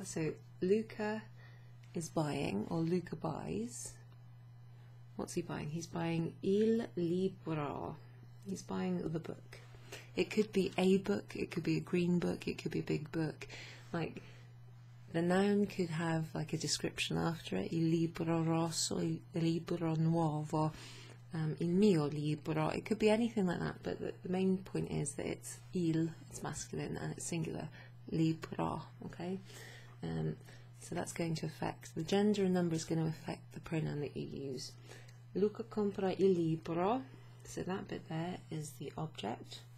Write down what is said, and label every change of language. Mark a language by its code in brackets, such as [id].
[en] So Luca is buying, or Luca buys. What's he buying? He's buying il libro. He's buying the book. It could be a book, it could be a green book, it could be a big book. Like, the noun could have like a description after it. [it] Il libro rosso, il libro nuovo, il mio libro. [en] It could be anything like that, but the main point is that it's il, it's masculine, and it's singular. Libro, okay? So that's going to affect, the gender and number is going to affect the pronoun that you use. [it] Luca compra il libro. [en] So that bit there is the object.